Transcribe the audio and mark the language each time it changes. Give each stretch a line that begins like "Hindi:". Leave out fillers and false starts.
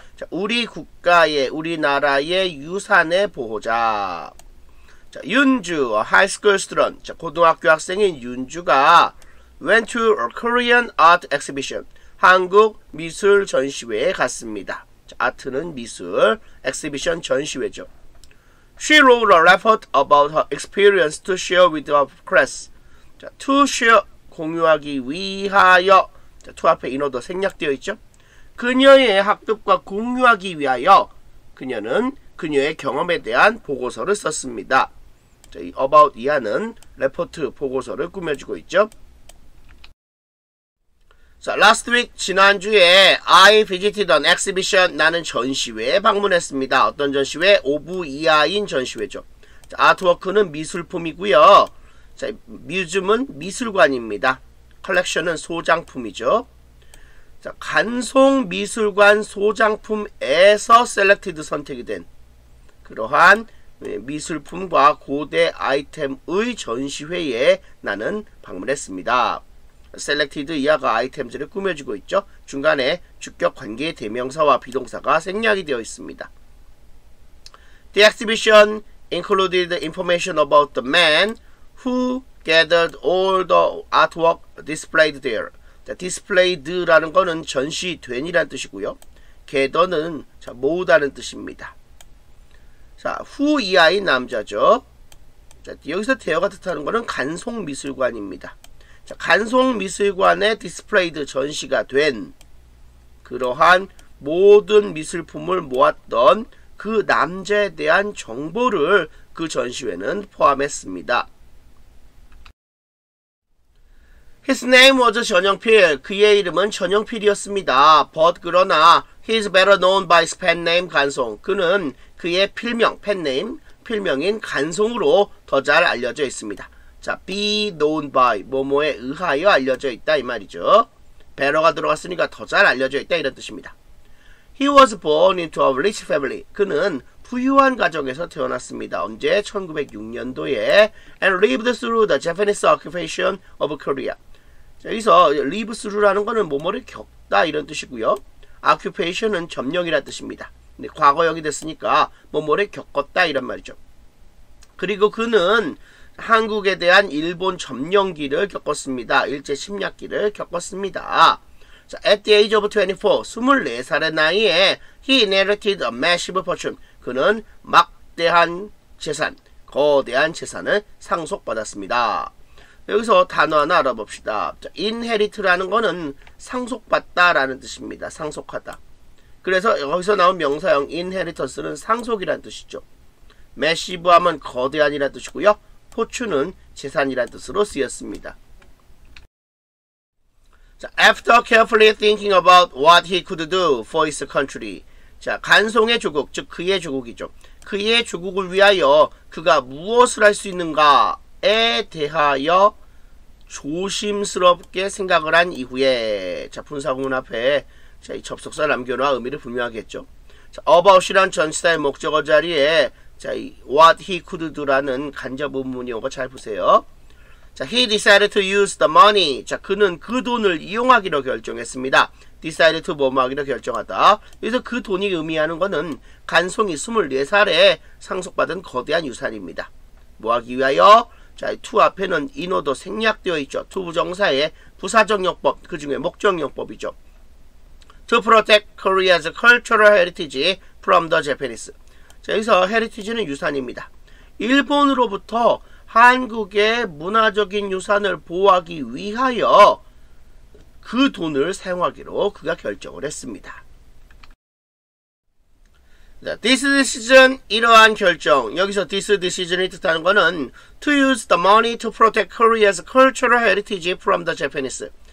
Korean: 자, 우리 국가의, 우리나라의 유산의 보호자.
English: 자, 윤주, a high school student.
Korean: 자, 고등학교 학생인 윤주가
English: went to a Korean art exhibition.
Korean: 한국 미술 전시회에 갔습니다. 자, 아트는 미술, exhibition 전시회죠.
English: She wrote a report about her experience to share with her class.
Korean: 자, to share, 공유하기 위하여. 자, to 앞에 인어도 생략되어 있죠. 그녀의 학급과 공유하기 위하여 그녀는 그녀의 경험에 대한 보고서를 썼습니다. 자, 이 about 이하는 레포트 보고서를 꾸며주고 있죠. 자, last week, 지난주에
English: I visited an exhibition,
Korean: 나는 전시회에 방문했습니다. 어떤 전시회? 5부 이하인 전시회죠. 자, 아트워크는 미술품이고요. 자, museum은 미술관입니다. collection은 소장품이죠. 자, 간송미술관 소장품에서 셀렉티드 선택이 된 그러한 미술품과 고대 아이템의 전시회에 나는 방문했습니다. 셀렉티드 이하가 아이템들을 꾸며주고 있죠. 중간에 주격관계 대명사와 비동사가 생략이 되어 있습니다.
English: The exhibition included information about the man who gathered all the artwork displayed there.
Korean: displayed라는 거는 전시된이란 뜻이고요. gather는 모으다는 뜻입니다. 자, who 이하인 남자죠. 자, 여기서 대어가 뜻하는 거는 간송미술관입니다. 자, 간송미술관에 displayed 전시가 된 그러한 모든 미술품을 모았던 그 남자에 대한 정보를 그 전시회는 포함했습니다.
English: His name was 전영필.
Korean: 그의 이름은 전영필이었습니다.
English: But 그러나 he's better known by his pen name 간송.
Korean: 그는 그의 필명, pen name, 필명인 간송으로 더 잘 알려져 있습니다. 자, be known by 뭐뭐에 의하여 알려져 있다 이 말이죠. better가 들어갔으니까 더 잘 알려져 있다 이런 뜻입니다.
English: He was born into a rich family.
Korean: 그는 부유한 가정에서 태어났습니다. 언제?
English: 1906년도에 and lived through the Japanese occupation of Korea.
Korean: 자, 여기서 live through라는 거는 뭐뭐를 겪다 이런 뜻이고요. occupation은 점령이라는 뜻입니다. 근데 과거형이 됐으니까 뭐뭐를 겪었다 이런 말이죠. 그리고 그는 한국에 대한 일본 점령기를 겪었습니다. 일제 침략기를 겪었습니다.
English: So at the age of 24,
Korean: 24살의 나이에
English: he inherited a massive fortune.
Korean: 그는 막대한 재산, 거대한 재산을 상속받았습니다. 여기서 단어 하나 알아봅시다. inherit라는 거는 상속받다라는 뜻입니다. 상속하다. 그래서 여기서 나온 명사형 inheritance는 상속이라는 뜻이죠. massive 하면 거대한이라는 뜻이고요. fortune은 재산이라는 뜻으로 쓰였습니다.
English: After carefully thinking about what he could do for his country,
Korean: 자, 간송의 조국, 즉 그의 조국이죠. 그의 조국을 위하여 그가 무엇을 할 수 있는가에 대하여 조심스럽게 생각을 한 이후에, 자, 분사구문 앞에 자, 이 접속사 남겨놓아 의미를 분명하게 했죠. about이란 전치사의 목적어 자리에 자, 이 what he could do라는 간접 문문이 온 거 잘 보세요.
English: 자, he decided to use the money.
Korean: 자, 그는 그 돈을 이용하기로 결정했습니다. decided to 뭐뭐하기로 결정하다. 여기서 그 돈이 의미하는 거는 간송이 24살에 상속받은 거대한 유산입니다. 뭐하기 위하여? 자, to 앞에는 in order 생략되어 있죠. to 부정사의 부사정용법, 그 중에 목적용법이죠.
English: to protect Korea's cultural heritage from the Japanese.
Korean: 자, 여기서 heritage는 유산입니다. 일본으로부터 한국의 문화적인 유산을 보호하기 위하여 그 돈을 사용하기로 그가 결정을 했습니다.
English: 자, this decision
Korean: 이러한 결정.
English: 여기서 this decision이 뜻하는 거는 to use the money to protect Korea's cultural heritage from the Japanese.